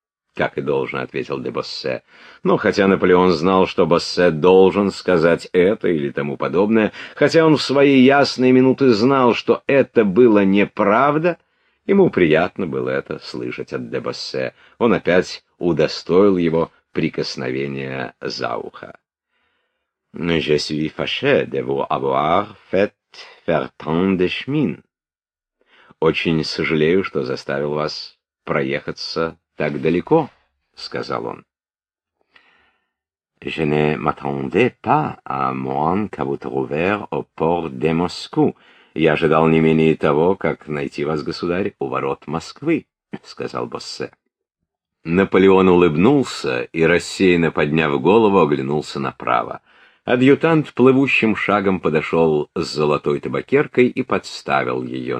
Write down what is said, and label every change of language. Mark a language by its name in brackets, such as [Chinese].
[Russian] — Как и должен, — ответил де Боссе. Но хотя Наполеон знал, что Боссе должен сказать это или тому подобное, хотя он в свои ясные минуты знал, что это было неправда, ему приятно было это слышать от де Боссе. Он опять удостоил его прикосновения за ухо. [French] — Je suis fâché de vous avoir fait faire tant de chemin. [Russian] — Очень сожалею, что заставил вас проехаться так далеко, — сказал он. [French] Je ne m'attendais pas à moins qu'à vous trouver au port de Moscou. [Russian] Я ожидал не менее того, как найти вас, государь, у ворот Москвы, — сказал Боссе. Наполеон улыбнулся и, рассеянно подняв голову, оглянулся направо. Адъютант плывущим шагом подошел с золотой табакеркой и подставил ее.